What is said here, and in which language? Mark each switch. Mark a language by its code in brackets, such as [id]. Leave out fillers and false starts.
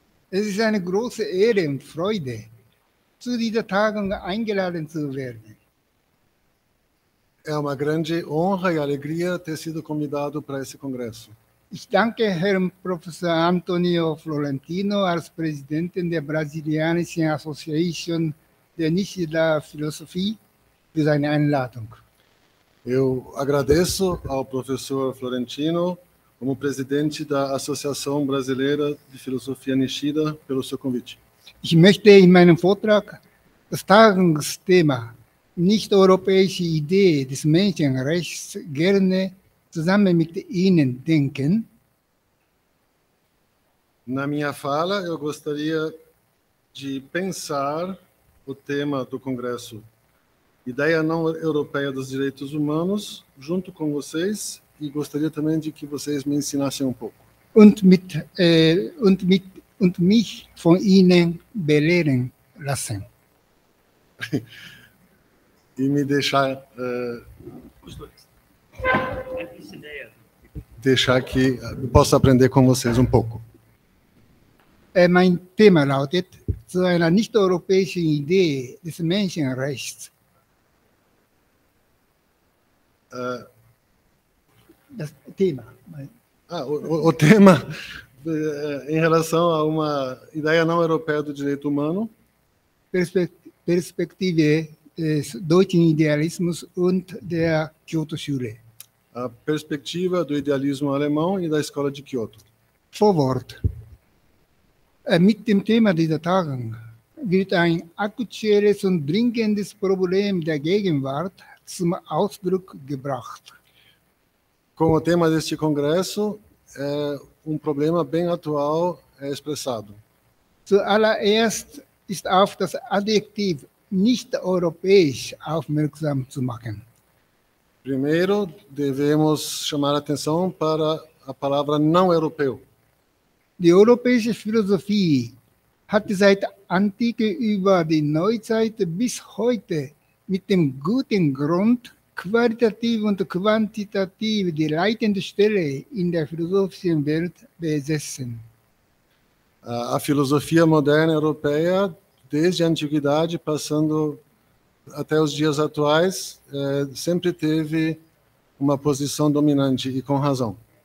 [de] Es ist eine große Ehre und Freude, zu dieser Tagung eingeladen zu werden. [pt] É uma grande honra e alegria ter sido convidado para esse congresso. [de] Ich danke Herrn Professor Antonio Florentino als Präsidenten der Brasilianischen Association der Nische der Philosophie für seine Einladung. [pt] Eu agradeço ao professor Florentino como presidente da Associação Brasileira de Filosofia Nishida pelo seu convite. [de] Ich möchte in meinem Vortrag das Tagungsthema nicht-europäische Idee des Menschenrechts gerne zusammen mit Ihnen denken. [pt] Na minha fala, eu gostaria de pensar o tema do congresso Ideia não europeia dos direitos humanos junto com vocês e gostaria também de que vocês me ensinassem um pouco. [de] Und mich von Ihnen belehren lassen. [pt] E me deixar deixar que eu possa aprender com vocês um pouco. [de] Mein Thema lautet zu einer nicht-europäischen Idee des Menschenrechts. Das Thema. [pt] O tema em relação a uma ideia não europeia do direito humano. [de] Perspektive des deutschen Idealismus und der Kyoto-Schule. [pt] A perspectiva do idealismo alemão e da escola de Kyoto. [de] Vorwort. Mit dem Thema dieser Tagung wird ein aktuelles und dringendes Problem der Gegenwart zum Ausdruck gebracht. [pt] Com o tema deste congresso, problema bem atual é expressado. [de] Zuallererst ist auf das Adjektiv nicht-europäisch aufmerksam zu machen. [pt] Primeiro, devemos chamar atenção para a palavra não-europeu. [de] Die europäische Philosophie hat seit Antike über die Neuzeit bis heute mit dem guten Grund qualitativ und quantitativ die leitende Stelle in der philosophischen Welt besessen. [pt] A filosofia moderna europeia, desde a antiguidade, passando até os dias atuais, sempre teve uma posição dominante e com razão.